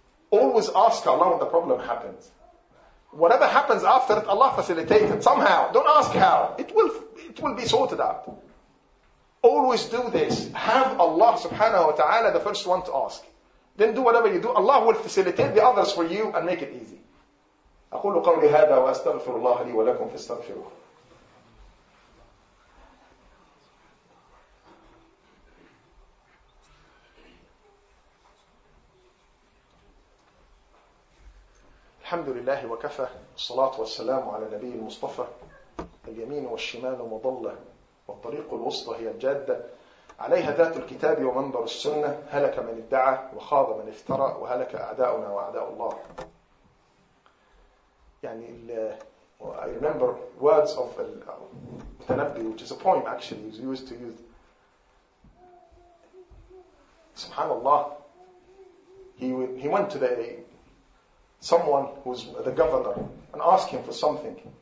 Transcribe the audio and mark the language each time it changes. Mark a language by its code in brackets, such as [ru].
[en] Always ask Allah when the problem happens. Whatever happens after it, Allah facilitates it somehow. Don't ask how. It will be sorted out. Always do this. Have Allah subhanahu wa ta'ala the first one to ask. Then do whatever you do. Allah will facilitate the others for you and make it easy. [ar] أقول قولي هذا وأستغفر الله لي ولكم فاستغفروه. الحمد لله وكفى الصلاة والسلام على النبي المصطفى اليمين والشمال مضلة والطريق الوسطى هي الجادة عليها ذات الكتاب ومنبر السنة هلك من ادعى وخاض من افترى وهلك أعداؤنا وأعداء الله. [en] يعني I remember words of المتنبي, which is a poem actually is used to use. [ar] سبحان الله, [en] he went to the someone who's the governor and ask him for something.